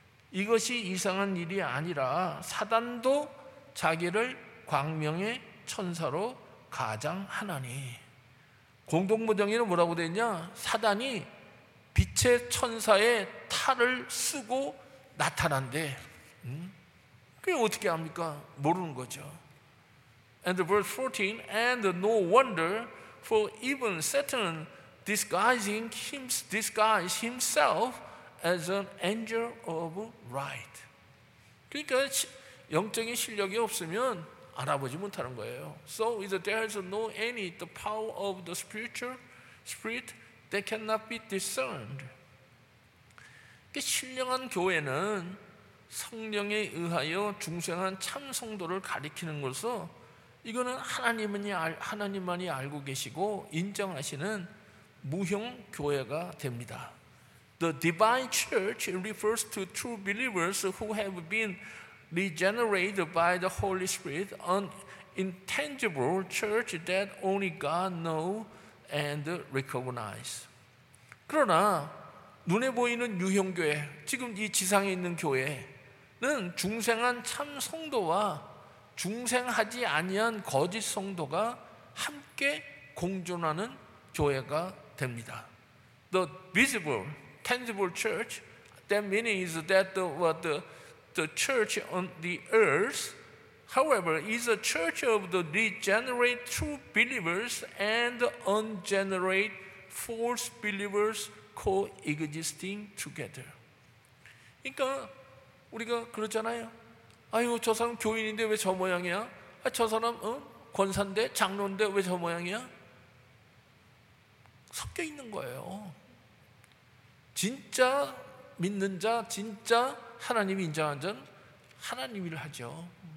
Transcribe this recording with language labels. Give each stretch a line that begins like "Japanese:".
Korean: 이것이 이상한 일이 아니라 사단도 자기를 광명의 천사로 가장하나니. 공동모정에는 뭐라고 되어 있냐? 사단이 빛의 천사의 탈을 쓰고 나타난대. 그게 어떻게 합니까? 모르는 거죠.
English: And verse 14, And no wonder, for even Satan disguised himself as an angel of light.
Korean: 그러니까 영적인 실력이 없으면 알아보지 못하는 거예요.
English: So if there is no any the power of the spirit that cannot be discerned.
Korean: 그러니까 신령한 교회는 성령에 의하여 중생한 참 성도를 가리키는 것으로 이거는 하나님만이 알고 계시고 인정하시는 무형 교회가 됩니다.
English: The divine church refers to true believers who have been regenerated by the Holy Spirit, an intangible church that only God knows and recognizes.
Korean: 그러나 눈에 보이는 유형 교회, 지금 이 지상에 있는 교회 는 중생한 참 성도와 중생하지 아니한 거짓 성도가 함께 공존하는 교회가 됩니다.
English: The visible, tangible church, that meaning is that the church on the earth, however, is a church of the regenerate true believers and unregenerate false believers coexisting together.
Korean: 그러니까 우리가 그렇잖아요. 아유, 저 사람 교인인데 왜 저 모양이야? 아, 저 사람 권사인데 장로인데 왜 저 모양이야? 섞여 있는 거예요. 진짜 믿는 자, 진짜 하나님 인정한 자는 하나님 일을 하죠.